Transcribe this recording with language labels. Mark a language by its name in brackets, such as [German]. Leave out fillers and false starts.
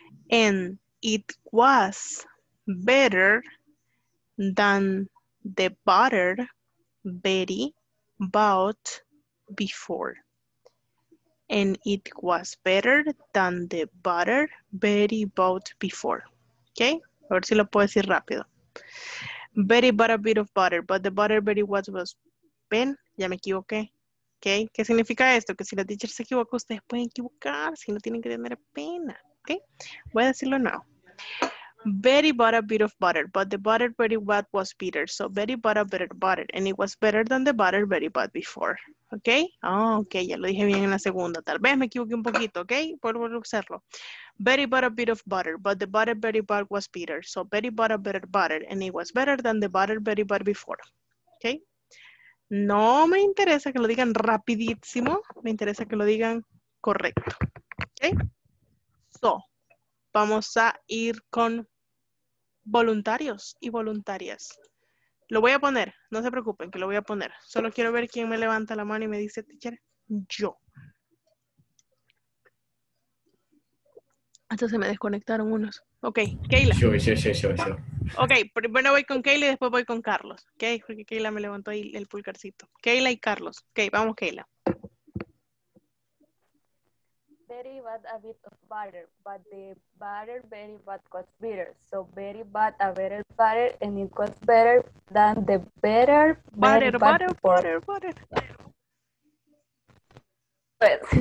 [English] And it was better than the butter Betty bought before. And it was better than the butter Betty bought before. Okay? [Spanish] A ver si lo puedo decir rápido. [English] Betty bought a bit of butter, but the butter Betty was [Spanish] ¿ven? Ya me equivoqué. Okay? ¿Qué significa esto? Que si la teacher se equivoca, ustedes pueden equivocar, si no tienen que tener pena. Okay? Voy a decirlo [English] now. Betty bought a bit of butter, but the butter Betty bought was bitter. So Betty bought a bit of butter, and it was better than the butter Betty bought before. Okay? [Spanish] Oh, okay, ya lo dije bien en la segunda. Tal vez me equivoqué un poquito, okay? Vuelvo a usarlo. [English] Betty bought a bit of butter, but the butter Betty bought was bitter. So Betty bought a bit of butter, and it was better than the butter Betty bought before. [Spanish] Okay? No me interesa que lo digan rapidísimo. Me interesa que lo digan correcto. Okay? So, vamos a ir con voluntarios y voluntarias. Lo voy a poner, no se preocupen que lo voy a poner. Solo quiero ver quién me levanta la mano y me dice, teacher, yo. Hasta se me desconectaron unos. Ok, Keila. Yo. Ok, primero voy con Keila y después voy con Carlos. Ok, porque Keila me levantó ahí el pulgarcito. Keila y Carlos. Ok, vamos Keila. [English] Betty bought a bit of butter, but the butter Betty bought was bitter. So Betty bought a better butter, and it was better than the better butter. [Spanish] Pues.